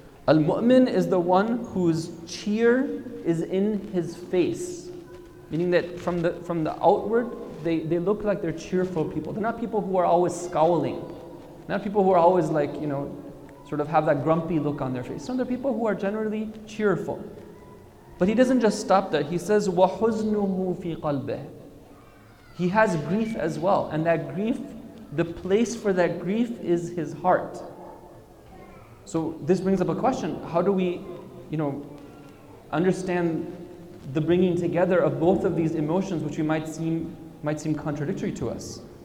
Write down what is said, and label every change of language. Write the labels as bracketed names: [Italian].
[English] Al-mu'min is the one whose cheer is in his face, meaning that from the outward, they look like they're cheerful people. They're not people who are always scowling. Not people who are always like, you know, sort of have that grumpy look on their face. Some of the people who are generally cheerful. But he doesn't just stop there. He says, [Arabic] وَحُزْنُهُ فِي قَلْبِهِ. [English] He has grief as well. And that grief, the place for that grief is his heart. So this brings up a question. How do we, you know, understand the bringing together of both of these emotions, which we might seem contradictory to us?